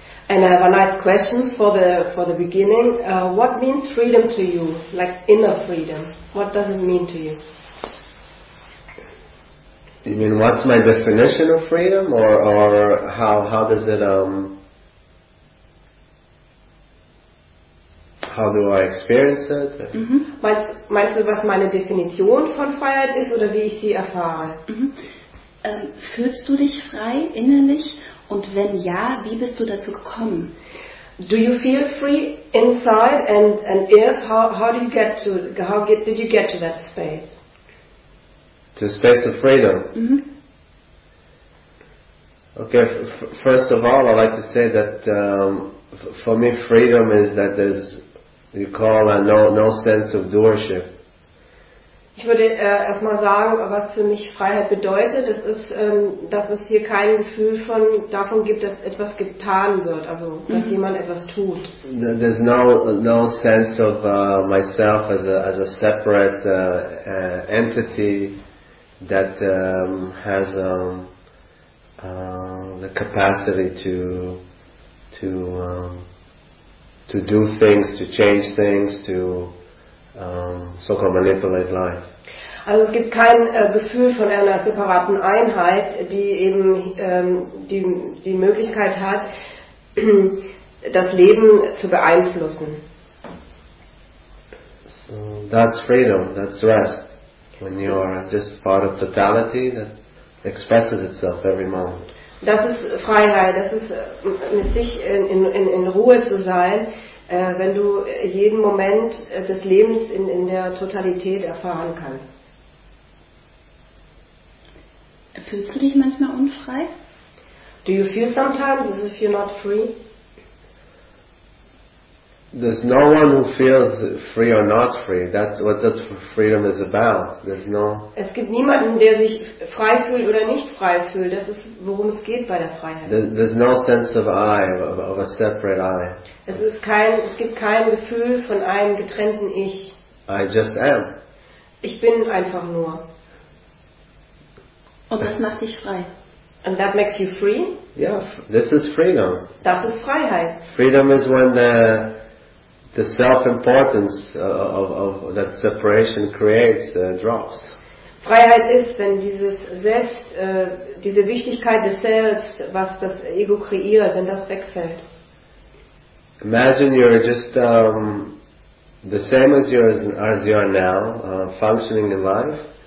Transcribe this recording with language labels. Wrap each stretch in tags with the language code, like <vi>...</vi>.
<en>And I have a nice question for the beginning. What means freedom to you, like inner freedom? What does it mean to you? You mean what's my definition of freedom, or how does it how do I experience it? Mm-hmm.</en> <de>Meinst du, was meine Definition von Freiheit ist oder wie ich sie erfahre? Mm-hmm. Fühlst du dich frei innerlich? Und wenn ja, wie bist du dazu gekommen?</de> <en>Do you feel free inside? And if, how do you get to did you get to that space? To space of freedom. Mm-hmm. Okay. First of all, I'd like to say that for me, freedom is that there's you call a no sense of doership.</en> <de>Ich würde erstmal sagen, was für mich Freiheit bedeutet. Das ist, dass es hier kein Gefühl von davon gibt, dass etwas getan wird, also dass mm-hmm. jemand etwas tut.</de> <en>There's no sense of myself as a separate entity that has the capacity to do things, to change things, to so-called manipulate life.</en> <de>Also es gibt kein Gefühl von einer separaten Einheit, die eben die Möglichkeit hat, das Leben zu beeinflussen.</de> <en>So that's freedom, that's rest. When you are just part of totality that expresses itself every moment.</en> <de>Das ist Freiheit, das ist mit sich in Ruhe zu sein, wenn du jeden Moment des Lebens in der Totalität erfahren kannst. Fühlst du dich manchmal unfrei?</de> <en>Do you feel sometimes as if you're not free? There's no one who feels free or not free. That's what that freedom is about. There's no.</en> <de>Es gibt niemanden, der sich frei fühlt oder nicht frei fühlt. Das ist, worum es geht bei der Freiheit.</de> <en>There's no sense of I, of a separate I.</en> <de>Es gibt kein Gefühl von einem getrennten Ich.</de> <en>I just am.</en> <de>Ich bin einfach nur. Und das macht dich frei.</de> <en>And that makes you free? Yeah, this is freedom.</en> <de>Das ist Freiheit.</de> <en>Freedom is when the self-importance of that separation creates drops.</en> <de>Freiheit ist, wenn dieses Selbst, diese Wichtigkeit des Selbst, was das Ego kreiert, wenn das wegfällt.</de> <en>Imagine you're just the same as you are now, functioning in life.</en>